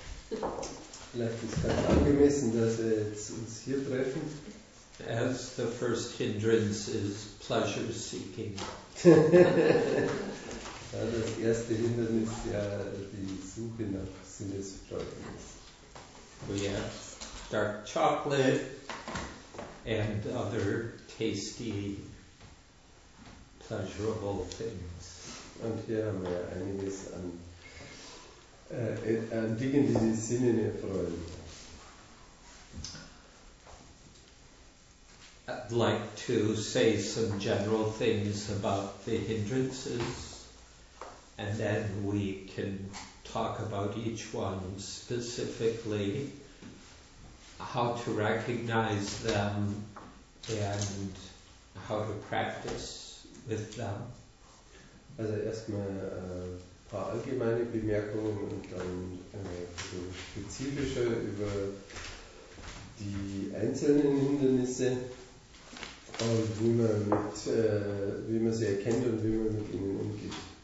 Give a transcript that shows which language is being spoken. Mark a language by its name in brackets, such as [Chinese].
[German] Vielleicht ist es ganz angemessen, dass wir jetzt uns hier treffen. [English] As the first hindrance is pleasure seeking. [German] Ja, das erste Hindernis ja die Suche nach Sinnesfreude ist. [English] We have dark chocolate and other tasty, pleasurable things. [German] Und hier haben wir einiges an Dingen, die die Sinne erfreuen. [English] I'd like to say some general things about the hindrances, and then we can talk about each one specifically, how to recognize them and how to practice with them. [German] Also erstmal ein paar allgemeine Bemerkungen und dann so spezifischer über die einzelnen Hindernisse und wie man sie erkennt und wie man mit ihnen umgeht.